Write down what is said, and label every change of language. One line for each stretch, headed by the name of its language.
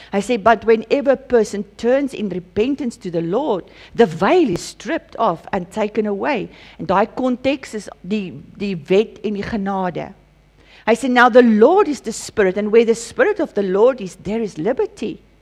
Afrikaans: Hy sê
English: but whenever a person turns in repentance to the Lord, the veil is stripped off and taken away.
Afrikaans: En daai konteks is die wet en die genade. Hy sê
English: now the Lord is the Spirit and where the Spirit of the Lord is there is liberty.